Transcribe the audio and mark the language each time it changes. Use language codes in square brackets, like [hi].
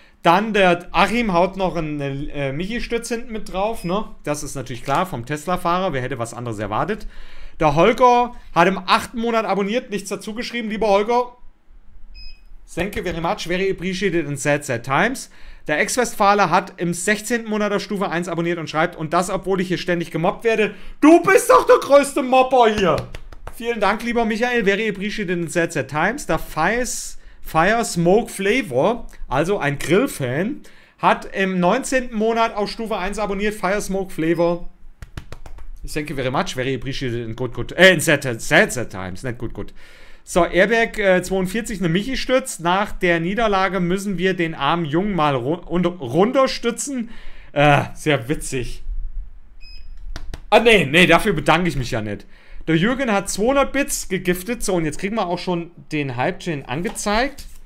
[de] Dann der Achim haut noch eine Michi-Stütz hinten mit drauf. Ne? Das ist natürlich klar vom Tesla-Fahrer. Wer hätte was anderes erwartet? Der Holger hat im 8. Monat abonniert. Nichts dazu geschrieben, lieber Holger. [en] Thank you very much. Very appreciated in ZZ Times. [de] Der Ex-Westfaler hat im 16. Monat auf Stufe 1 abonniert und schreibt, und das, obwohl ich hier ständig gemobbt werde, du bist doch der größte Mobber hier. Vielen Dank, lieber Michael. [en] Very appreciated in ZZ Times. [de] Der Fire Smoke Flavor, also ein Grillfan, hat im 19. Monat auf Stufe 1 abonniert. [en] Fire Smoke Flavor. Thank you very much. Very appreciated in good, good, in ZZ Times. [de] Nicht gut. So, Airbag 42, eine Michi-Stütz. Nach der Niederlage müssen wir den armen Jungen mal runterstützen. Sehr witzig. Nee, dafür bedanke ich mich ja nicht. Der Jürgen hat 200 Bits gegiftet. So, und jetzt kriegen wir auch schon den Hype-Chain angezeigt.